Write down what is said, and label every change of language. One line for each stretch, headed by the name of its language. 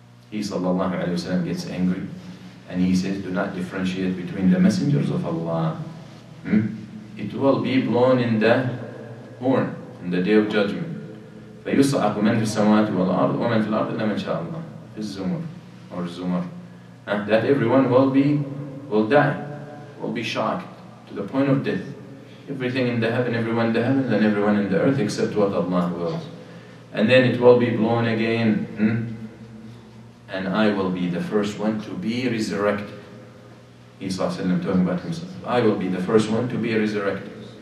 English: He sallallahu alayhi wa sallam gets angry and he says, do not differentiate between the messengers of Allah. It will be blown in the horn in the day of judgment.
Arabic: فَيُصَعَقُ مَنْ فِي السَّمَاوَاتِ وَالْأَرْضِ وَمَنْ فِي الْأَرْضِ إِلَّا مَنْ شَاءَ اللَّهِ فِي الزُّمُرِ or الزُّمُرِ,
English: that everyone will die, will be shocked to the point of death. Everything in the heaven, everyone in the heavens, and everyone in the earth except what Allah wills. And then it will be blown again. And I will be the first one to be resurrected. Isa sallam talking about himself. I will be the first one to be resurrected.